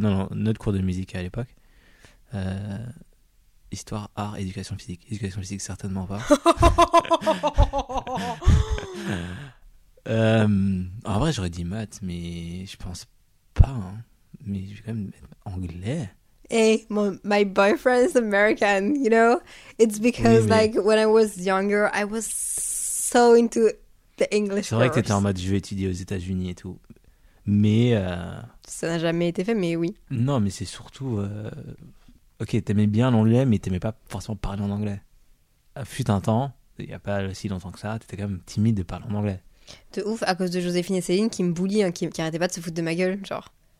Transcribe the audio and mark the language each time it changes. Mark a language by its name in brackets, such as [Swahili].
[French] Non, notre cours de musique à l'époque. Histoire, art, éducation physique. Éducation physique, certainement pas. en vrai, j'aurais dit maths, mais je pense pas. Hein. Mais je vais quand même mettre anglais. [English] Hey, my boyfriend is American, you know? It's because, like, when I was younger, I was so into the English course. [French] C'est vrai que t'étais en mode, je vais étudier aux États-Unis et tout. Mais... Ça n'a jamais été fait, mais oui. Non, mais c'est surtout... Ok, t'aimais bien l'anglais, mais t'aimais pas forcément parler en anglais. Fut un temps, il n'y a pas si longtemps que ça, t'étais quand même timide de parler en anglais. De ouf, à cause de Joséphine et Céline qui me bouillit, hein, qui arrêtait pas de se foutre de ma gueule, genre.